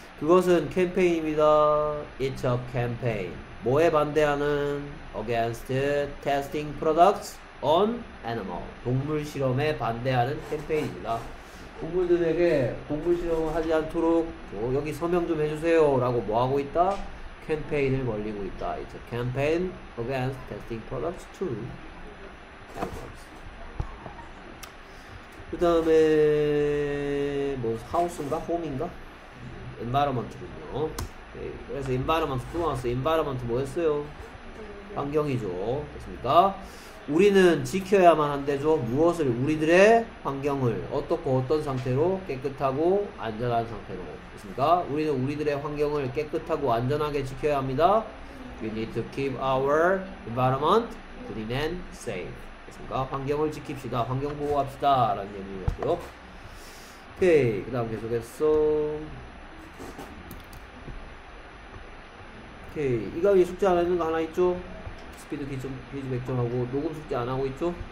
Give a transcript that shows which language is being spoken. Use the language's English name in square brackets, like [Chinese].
[Korean] 그것은 캠페인입니다. [English] It's a campaign. [Korean] 뭐에 반대하는? [English] Against testing products on animals. [Korean] 동물 실험에 반대하는 캠페인입니다. 동물들에게 동물 실험을 하지 않도록 여기 서명 좀 해주세요. 라고 뭐 하고 있다? 캠페인을 벌리고 있다. [English] It's a campaign against testing products to animals. [Korean] 그 다음에 뭐 하우스인가? 홈인가? 엔바이러먼트군요. 그래서 엔바이러먼트 또 나왔어요. 엔바이러먼트 뭐였어요? 환경이죠. 됐습니까? 우리는 지켜야만 한대죠. 무엇을? 우리들의 환경을 어떻고 어떤 상태로? 깨끗하고 안전한 상태로. 됐습니까? 우리는 우리들의 환경을 깨끗하고 안전하게 지켜야 합니다. [English] We need to keep our environment clean and safe. [Korean] 그니까 환경을 지킵시다. 환경 보호합시다. 라는 얘기였고요. 오케이. 그 다음 계속했어. 오케이. 이거 왜 숙제 안 하는 거 하나 있죠? 스피드 퀴즈 100점 하고, 녹음 숙제 안 하고 있죠?